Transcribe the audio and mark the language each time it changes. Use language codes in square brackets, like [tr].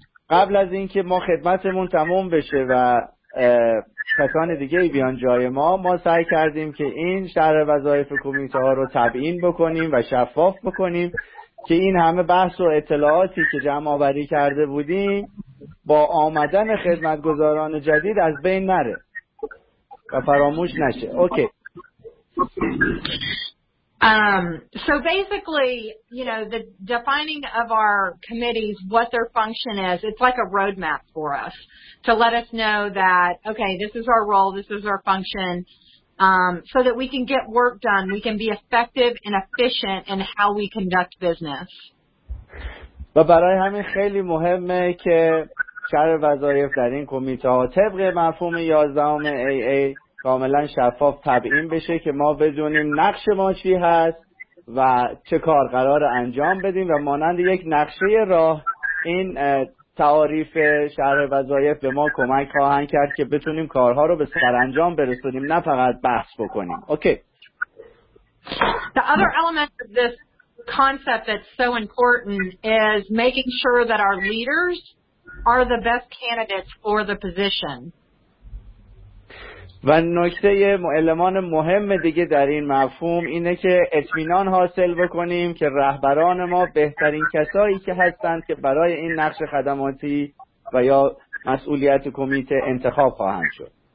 [fa] قبل از اینکه ما خدمتمون تموم بشه و کسان دیگه بیان جای ما، ما سعی کردیم که این شرح وظایف کمیته ها رو تبیین بکنیم و شفاف بکنیم که این همه بحث و اطلاعاتی که جمع آوری کرده بودیم با آمدن خدمتگزاران جدید از بین نره و فراموش نشه. اوکی. [en] So basically, you know, the defining of our committees, what their function is, it's like a roadmap for us to let us know that, okay, this is our role, this is our function, so that we can get work done, we can be effective and efficient in how we conduct business. [fa] و برای همین خیلی مهمه که شرح وظایف در این کمیته ها طبق مفهوم 11 AA کاملا شفاف تبیین بشه که ما بدونیم نقش ما چی هست و چه کار قرار انجام بدیم و مانند یک نقشه راه این تعاریف شرح وظایف به ما کمک خواهند کرد که بتونیم کارها رو به سرانجام برسونیم، نه فقط بحث بکنیم. اوکی. [en] The other element of this concept that's so important is making sure that our leaders are the best candidates for the position. [fa] و نکته المان مهم دیگه در این مفهوم اینه که اطمینان حاصل بکنیم که رهبران ما بهترین کسایی که هستند که برای این نقش خدماتی و یا مسئولیت کمیته انتخاب خواهند شد.